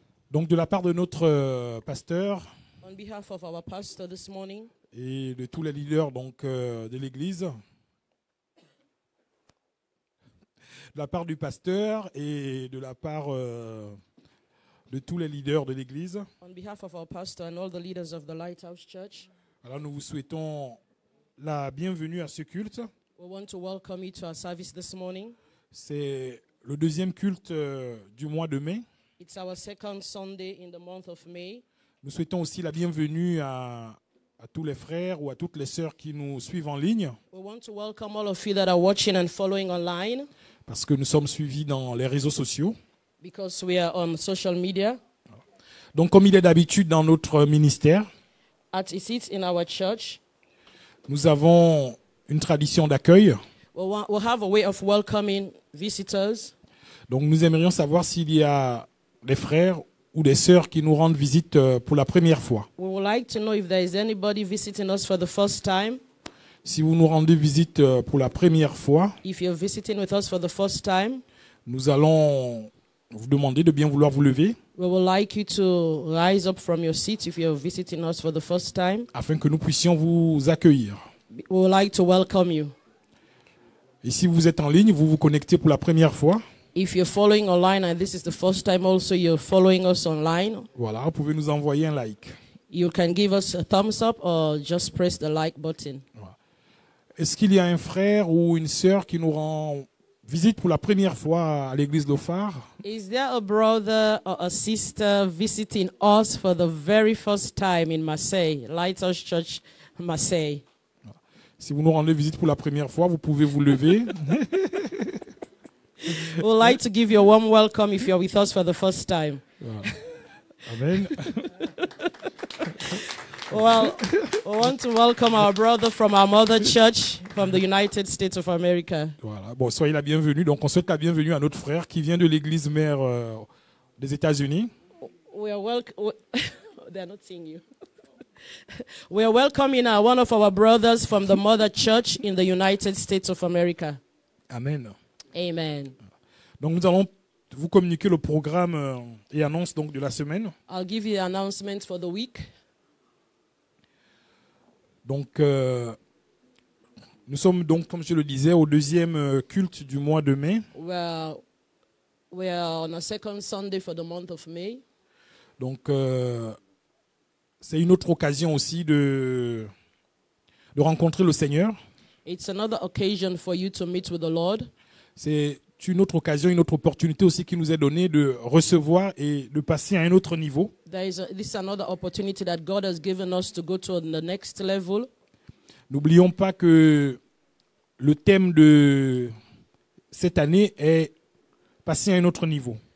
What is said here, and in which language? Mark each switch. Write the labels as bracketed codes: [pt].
[fr] Donc de la part de notre pasteur, [en] on behalf of our pastor this morning, [fr] et de tous les leaders donc de l'église, de la part du pasteur et de la part de tous les leaders de l'église. [en] On behalf of our pastor and all the leaders of the Lighthouse Church. [fr] Alors nous vous souhaitons la bienvenue à ce culte. [en] We want to welcome you to our service this morning. [fr] C'est le deuxième culte du mois de mai. [en] It's our second Sunday in the month of May. [fr] Nous souhaitons aussi la bienvenue à tous les frères ou à toutes les sœurs qui nous suivent en ligne. [en] We want to welcome all of you that are watching and following online. [fr] Parce que nous sommes suivis dans les réseaux sociaux. [en] Because we are on social media. [fr] Donc comme il est d'habitude dans notre ministère, [en] at it in our church, [fr] nous avons une tradition d'accueil. [en] We have a way of welcoming visitors. [fr] Donc nous aimerions savoir s'il y a des frères ou des sœurs qui nous rendent visite pour la première fois. [en] We would like to know if there is anybody visiting us for the first time. [fr] Si vous nous rendez visite pour la première fois, [en] if you're visiting with us for the first time, [fr] nous allons vous demander de bien vouloir vous lever. [en] We would like you to rise up from your seat if you're visiting us for the first time. [fr] Afin que nous puissions vous accueillir. [en] We would like to welcome you. [fr] Et si vous êtes en ligne, vous vous connectez pour la première fois. [en] If you're following online and this is the first time also you're following us online. [fr] Voilà, vous pouvez nous envoyer un like. [en] You can give us a thumbs up or just press the like button. [fr] Voilà. Est-ce qu'il y a un frère ou une sœur qui nous rend visite pour la première fois à l'église Le Phare? [en] Is there a brother or a sister visiting us for the very first time in Marseille, Lighthouse Church, Marseille? [fr] Si vous nous rendez visite pour la première fois, vous pouvez vous lever. [en] We'd like to give you a warm welcome if you're with us for the first time. Amen. Well, we want to welcome our brother from our mother church from the United States of America. [fr] Voilà. Bon, soyez la bienvenue. Donc, on souhaite la bienvenue à notre frère qui vient de l'église mère des États-Unis. [en] We are welcome. They are not seeing you. We are welcoming one of our brothers from the mother church in the United States of America. Amen. Amen. [fr] Donc nous allons vous communiquer le programme et annonce donc de la semaine. [en] I'll give you the announcement for the week. [fr] Donc nous sommes donc, comme je le disais, au deuxième culte du mois de mai. [en] We are on a second Sunday for the month of May. [fr] Donc c'est une autre occasion aussi de rencontrer le Seigneur. [en] It's another occasion for you to meet with the Lord. [fr] C'est une autre occasion, une autre opportunité aussi qui nous est donnée de recevoir et de passer à un autre niveau. [en] This is another opportunity that God has given us to go to the next level. [fr] N'oublions pas que le thème de cette année est passer à un autre niveau.